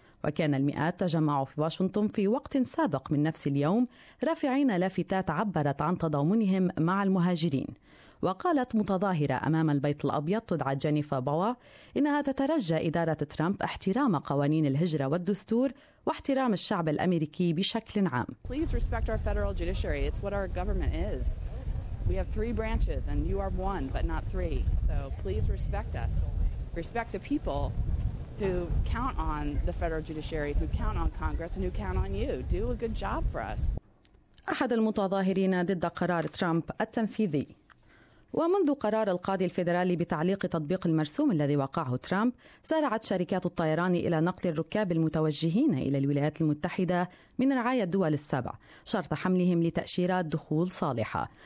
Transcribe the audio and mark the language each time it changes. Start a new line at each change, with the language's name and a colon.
Arabic: وكان المئات تجمعوا في واشنطن في وقت سابق من نفس اليوم رافعين لافتات عبرت عن تضامنهم مع المهاجرين. وقالت متظاهرة أمام البيت الأبيض تدعى جينيفر باوا إنها تترجى إدارة ترامب احترام قوانين الهجرة والدستور واحترام الشعب الأمريكي بشكل عام.
English: Please respect our federal judiciary. It's what our government is. We have 3 branches and you are one but not 3. So please respect us. Respect the people who count on the federal judiciary, who count on Congress and who count on you. Do a good job for us.
Arabic: أحد المتظاهرين ضد قرار ترامب التنفيذي. ومنذ قرار القاضي الفيدرالي بتعليق تطبيق المرسوم الذي وقعه ترامب، زرعت شركات الطيران إلى نقل الركاب المتوجهين إلى الولايات المتحدة من رعاية الدول 7 شرط حملهم لتأشيرات دخول صالحة.